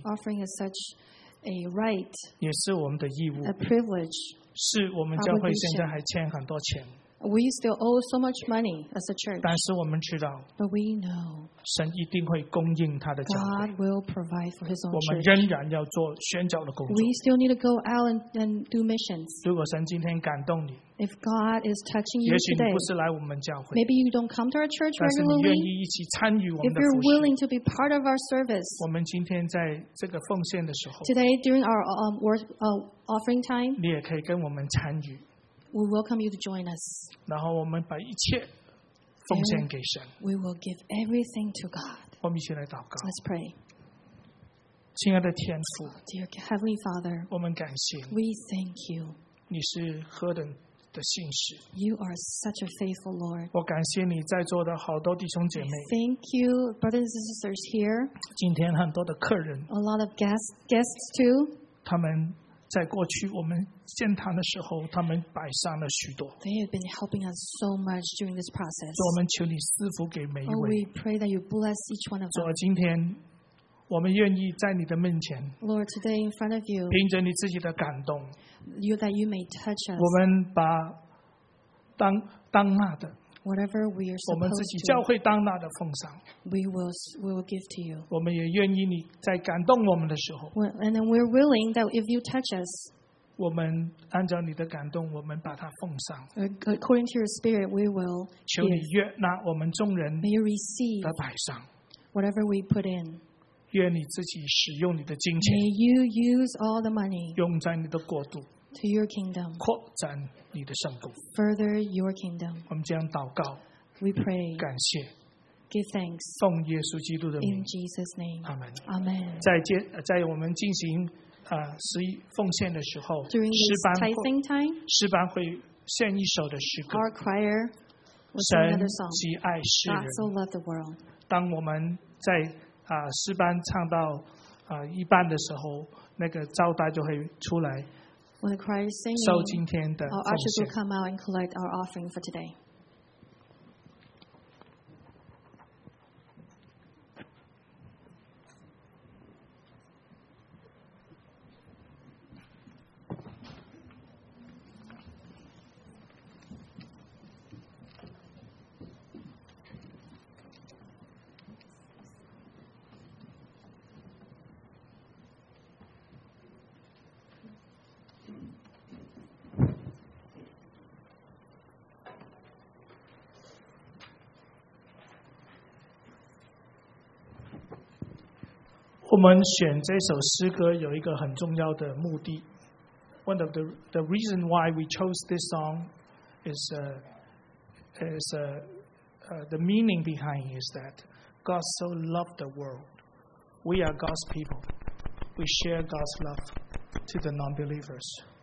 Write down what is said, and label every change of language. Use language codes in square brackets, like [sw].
[en] Offering is such a right. [zh] 也是我们的义务。 [en] A privilege. [zh] 是我们教会现在还欠很多钱。 [en] We still owe so much money as a church. [zh] 但是我们知道 [en] But we know. [zh] 神一定会供应他的教会。 [en] God will provide for his own church. [zh] 我们仍然要做宣教的工作。 [en] We still need to go out and do missions. [zh] 如果神今天感动你 [en] If God is touching you today, [zh] 也许你不是来我们教会。 [en] Maybe you don't come to our church regularly. [zh] 但是你愿意一起参与我们的服 [en] 事。If you're willing to be part of our service. [zh] 我们今天在这个奉献的时候 [en] Today, during our offering time, [zh] 你也可以跟我们参与。 [en] We welcome you to join us. [zh] 然后我们把一切奉献给神。 [en] We will give everything to God. [zh] 我们一起来祷告。 [en] Let's pray. [zh] 亲爱的天父 [en] ，Dear Heavenly Father， [zh] 我们感谢。 [en] We thank you. [zh] 你是何等的信实。 [en] You are such a faithful Lord. [zh] 我感谢你在座的好多弟兄姐妹。 [en] Thank you, brothers and sisters here. [zh] 今天很多的客人。 [en] A lot of guests too. [zh] 他们。在过去我们建堂的时候他们摆上了许多 [en] They have been helping us so much during this process [zh] 主我们求你赐福给每一位 [en] We pray that you bless each one of us [zh] 主今天我们愿意在你的面前 [en] Lord today in front of you [zh] 凭着你自己的感动 [en] you, That you may touch us [zh] 我们把 当纳的 [en] Whatever we are supposed to [zh] 我们自己教会当纳的奉上 [en] We will give to you. [zh] 我们也愿意你在感动我们的时候。 [en] And then we're willing that if you touch us, [zh] 我们按照你的感动，我们把它奉上。 [en] According to your spirit, we will. [zh] 求你悦纳我们众人。 [en] May you receive. [zh] 的摆上。 [en] Whatever we put in. [zh] 愿你自己使用你的金钱。 [en] May you use all the money. [zh] 用在你的国度。 [en] To your kingdom. [zh] 扩展你的圣功。 [en] Further your kingdom. [zh] 我们这样祷告。 [en] We pray. [zh] 感谢。 [en] Give thanks. [zh] 奉耶稣基督的名。 [en] In Jesus' name. Amen. Amen. [zh] 在我们进行十一奉献的时候，诗班会 [en] During this tithing time, [zh] 诗班会献一首的诗歌。 [en] Our choir will sing another song. [zh] 神极爱世人。 [en] God so loved the world. [zh] 当我们在诗班唱到一半的时候，那个招待就会出来。 [en] When the choir is singing, [zh] 收今天的奉献。 [en] Our ushers will come out and collect our offering for today. [zh] 我们选这首诗歌有一个很重要的目的。 [en] One of the reason why we chose this song is the meaning behind is that God so loved the world. We are God's people. We share God's love to the non-believers.